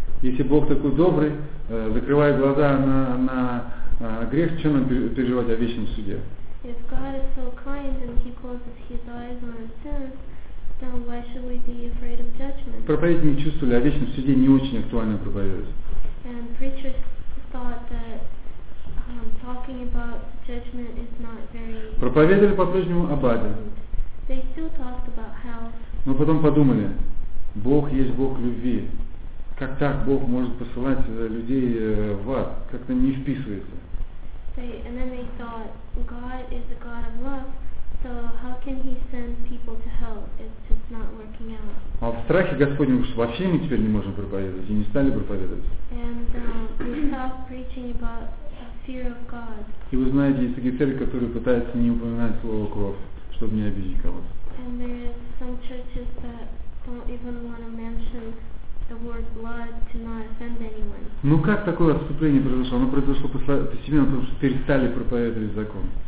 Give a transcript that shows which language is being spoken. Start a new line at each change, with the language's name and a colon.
Russian: Если Бог такой добрый, закрывает глаза на грех, что нам переживать о вечном суде?
English: If God is so kind and he closes his eyes on our sins, then why should we be afraid of judgment?
Russian: Проповедники чувствовали, о вечном суде не очень актуально проповедовать.
English: And preachers thought that talking about judgment is not very.
Russian: Проповедовали по-прежнему об аде.
English: They still talked about hell.
Russian: Но потом подумали, Бог есть Бог любви. Как так Бог может посылать людей в ад? Как-то не вписывается.
English: And then they thought, God is a God of love, so how can he send people to hell? It's just not working out.
Russian: А в страхе Господнем, что вообще мы теперь не можем проповедовать, и не стали проповедовать.
English: And we stopped preaching about the fear of God.
Russian: И вы знаете, есть такие церкви, которые пытаются не упоминать слово кровь, чтобы не обидеть кого-то.
English: And there are some churches that don't even want to mention the word blood to not offend anyone.
Russian: Ну как такое отступление произошло? Оно произошло постепенно, потому что перестали проповедовать закон.